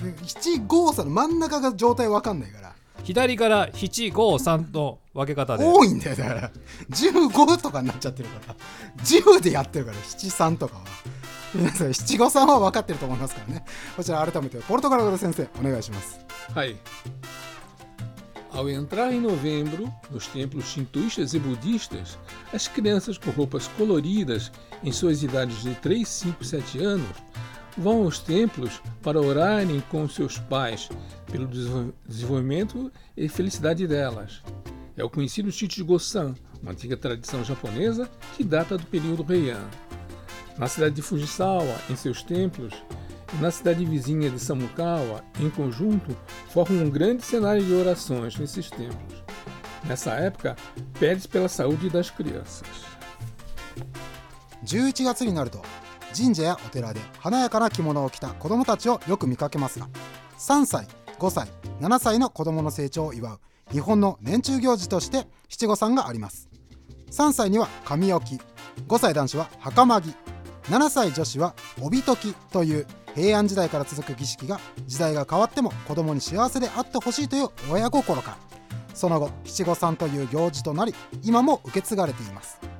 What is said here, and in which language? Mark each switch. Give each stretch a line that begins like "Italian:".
Japanese: 七五三の真ん中が状態分かんないから、左から七五三の分け方で多いんだよ。だから十五とかになっちゃってるから、十でやってるから七三とかは。皆さん七五三は分かってると思いますからね。こちら改めてポルトガル語で先生お願いします。はい。
Portuguese: Ao entrar em novembro nos templos shintoístas e budistas, as crianças com roupas coloridas em suas idades de 3, 5, 7 anos vão aos templos para orarem com seus pais pelo desenvolvimento e felicidade delas. É o conhecido Chichigo-san, uma antiga tradição japonesa que data do período Heian. Na cidade de Fujisawa, em seus templos, e na cidade vizinha de Samukawa, em conjunto, formam um grande cenário de orações nesses templos. Nessa época, pede-se pela saúde das crianças.
Japanese: 11月になると、神社やお寺で華やかな着物を着た子どもたちをよく見かけますが、3歳、5歳、7歳の子どもの成長を祝う日本の年中行事として七五三があります。 3歳には髪置き、5歳男子は袴着、7歳女子は帯解きという平安時代から続く儀式が、時代が変わっても子どもに幸せであってほしいという親心から、その後七五三という行事となり今も受け継がれています。